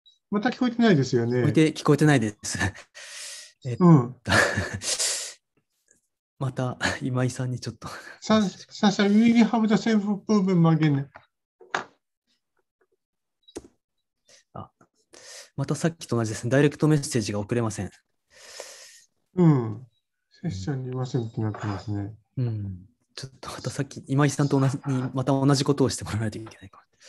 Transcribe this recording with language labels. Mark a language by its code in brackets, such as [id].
[ja] また聞こえてないですよね。聞こえて、聞こえてないです。うん。また今井さんにちょっと。 [en] さ、さ、さ、we really have the same problem again。 [ja] あ、またさっきと同じですね。ダイレクトメッセージが送れません。うん。セッションにいませんってなってますね。うん。ちょっとまたさっき今井さんと同じ、また同じことをしてもらわないといけないか。